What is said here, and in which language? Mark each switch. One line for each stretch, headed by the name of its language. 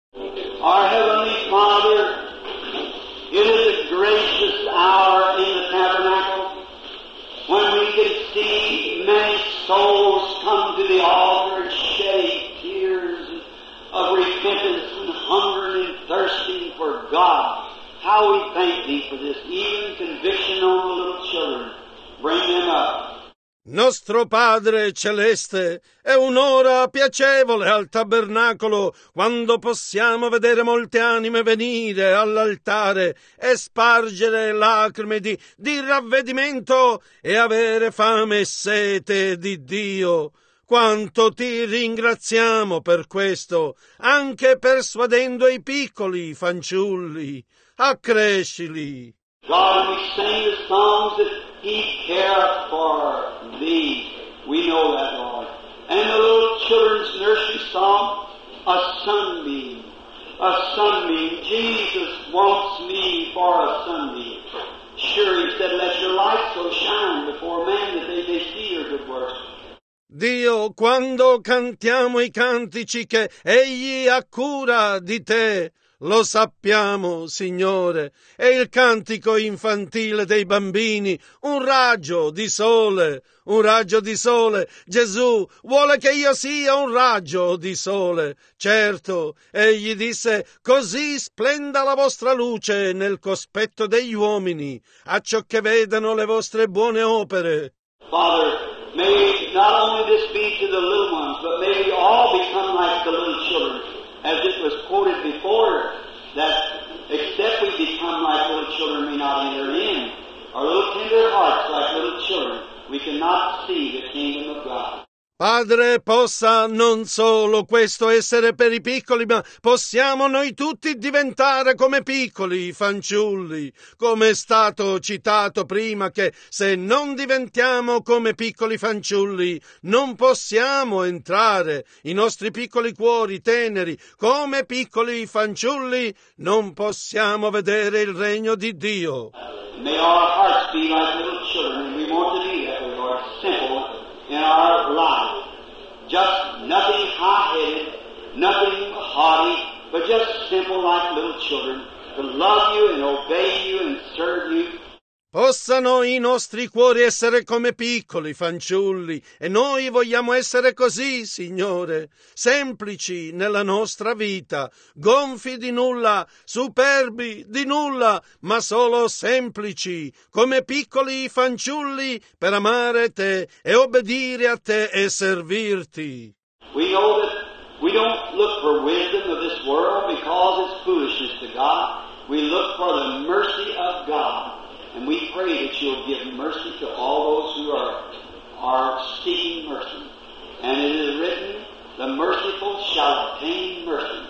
English: Our Heavenly Father, it is a gracious hour in the tabernacle when we can see many souls come to the altar shedding tears of repentance and hunger and thirsting for God. How we thank thee for this, even conviction on the little children. Bring them up.
Italian: Nostro Padre Celeste, è un'ora piacevole al tabernacolo quando possiamo vedere molte anime venire all'altare e spargere lacrime di ravvedimento e avere fame e sete di Dio. Quanto ti ringraziamo per questo, anche persuadendo i piccoli fanciulli. Accrescili.
English: God, we sing the songs that He cares for. Thee. We know that, Lord. And the little children's nursery song, a sunbeam, a sunbeam. Jesus wants me for a sunbeam. Sure, He said, let your light so shine before men that they may see your good works.
Italian: Dio, quando cantiamo i cantici che Egli ha cura di te, lo sappiamo, Signore, è il cantico infantile dei bambini, un raggio di sole, un raggio di sole. Gesù vuole che io sia un raggio di sole. Certo, egli disse, così splenda la vostra luce nel cospetto degli uomini, acciò che vedano le vostre buone opere.
English: Father, not only this be to the little ones, but may we all become like the little children. As it was quoted before, that except we become like little children, we may not enter in. Our little tender hearts, like little children, we cannot see the kingdom of God.
Italian: Padre, possa non solo questo essere per i piccoli, ma possiamo noi tutti diventare come piccoli fanciulli, come è stato citato prima, che se non diventiamo come piccoli fanciulli non possiamo entrare. I nostri piccoli cuori teneri come piccoli fanciulli non possiamo vedere il regno di Dio.
English: May our hearts be like little children. We want to be that with our in our life. Just nothing high-headed, nothing haughty, but just simple like little children to love you and obey you and serve you. Possano i nostri cuori essere come piccoli fanciulli, e noi vogliamo essere così, Signore, semplici nella nostra vita, gonfi di nulla, superbi di nulla, ma solo semplici, come piccoli fanciulli, per amare te e obbedire a te e servirti. We know that we don't look for wisdom of this world because it's foolishness to God. We look for the mercy of God. And we pray that you'll give mercy to all those who are seeking mercy. And it is written, the merciful shall obtain mercy.